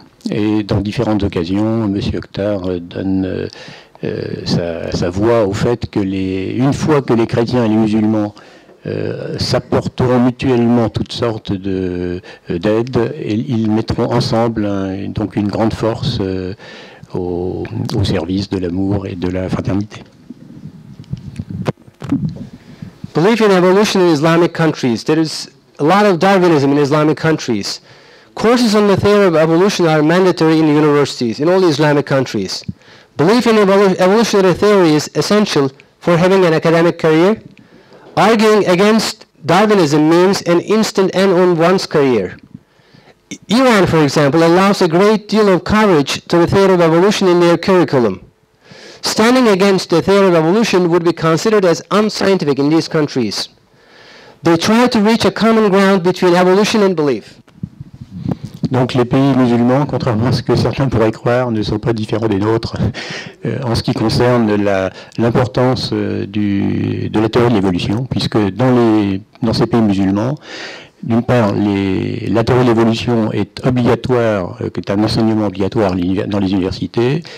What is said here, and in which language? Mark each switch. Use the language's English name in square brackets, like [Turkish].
[French] Et dans différentes occasions, M. Oktar donne sa voix au fait que une fois que les chrétiens et les musulmans s'apporteront mutuellement toutes sortes d'aides, ils mettront ensemble donc une grande force au service de l'amour et de la fraternité. [English] Belief in evolution in Islamic countries. There is a lot of Darwinism in Islamic countries. Courses on the theory of evolution are mandatory in universities in all Islamic countries. Belief in evolutionary theory is essential for having an academic career. Arguing against Darwinism means an instant end on one's career. Iran, for example, allows a great deal of coverage to the theory of evolution in their curriculum. Standing against the theory of evolution would be considered as unscientific in these countries. They try to reach a common ground between evolution and belief. [French] Donc les pays musulmans, contrairement à ce que certains pourraient croire, ne sont pas différents des nôtres en ce qui concerne l'importance de la théorie de l'évolution, puisque dans ces pays musulmans, D'une part, la théorie de l'évolution est obligatoire, qui est un enseignement obligatoire dans les universités.